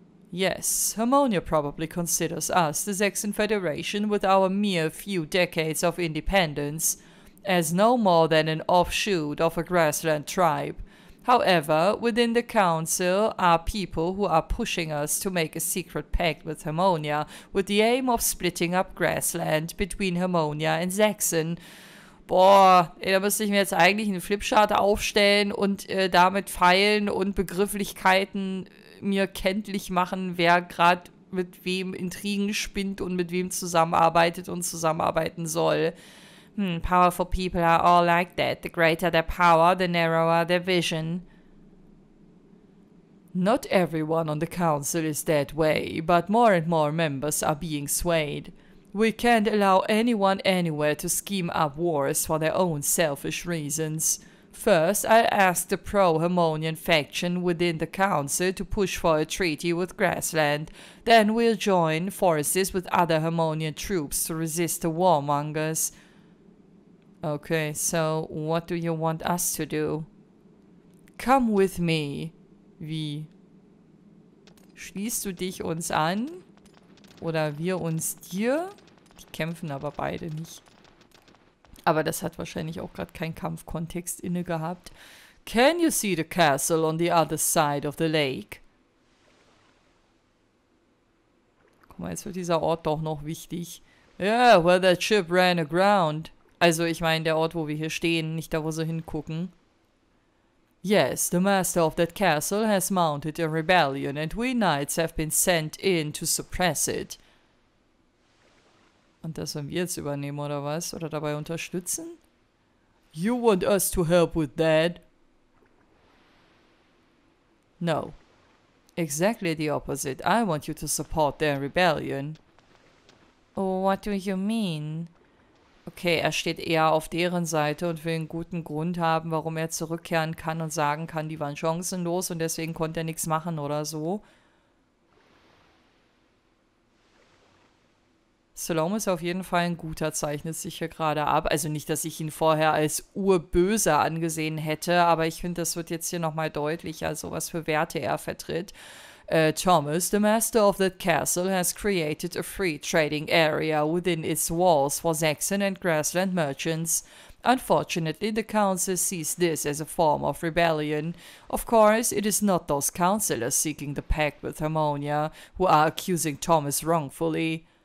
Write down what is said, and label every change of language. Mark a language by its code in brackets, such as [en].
[en] Yes, Harmonia probably considers us, the Zexan Federation, with our mere few decades of independence, as no more than an offshoot of a Grassland tribe. However, within the Council are people who are pushing us to make a secret pact with Harmonia, with the aim of splitting up Grassland between Harmonia and Zexan. [de] Boah, da müsste ich mir jetzt eigentlich einen Flipchart aufstellen und damit Pfeilen und Begrifflichkeiten mir kenntlich machen, wer gerade mit wem Intrigen spinnt und mit wem zusammenarbeitet und zusammenarbeiten soll. [en] Powerful people are all like that. The greater their power, the narrower their vision. Not everyone on the council is that way, but more and more members are being swayed. We can't allow anyone anywhere to scheme up wars for their own selfish reasons. First, I'll ask the pro-Harmonian faction within the council to push for a treaty with Grassland. Then we'll join forces with other Harmonian troops to resist the warmongers. Okay, so what do you want us to do? Come with me. [de] Wie? Schließt du dich uns an? Oder wir uns dir? Die kämpfen aber beide nicht. Aber das hat wahrscheinlich auch gerade keinen Kampfkontext inne gehabt. [en] Can you see the castle on the other side of the lake? [de] Guck mal, jetzt wird dieser Ort doch noch wichtig. [en] Yeah, where that ship ran aground. [de] Also ich meine der Ort, wo wir hier stehen, nicht da, wo sie hingucken. [en] Yes, the master of that castle has mounted a rebellion and we knights have been sent in to suppress it. [de] Und das sollen wir jetzt übernehmen, oder was? Oder dabei unterstützen? [en] You want us to help with that? No. Exactly the opposite. I want you to support their rebellion. What do you mean? [de] Okay, er steht eher auf deren Seite und will einen guten Grund haben, warum er zurückkehren kann und sagen kann, die waren chancenlos und deswegen konnte er nichts machen oder so. Salome ist auf jeden Fall ein guter, zeichnet sich hier gerade ab. Also nicht, dass ich ihn vorher als urböse angesehen hätte, aber ich finde, das wird jetzt hier nochmal deutlicher, also was für Werte er vertritt. [en] Thomas, the master of that castle, has created a free trading area within its walls for Zexan and Grassland merchants. Unfortunately, the council sees this as a form of rebellion. Of course, it is not those councillors seeking the pact with Harmonia who are accusing Thomas wrongfully.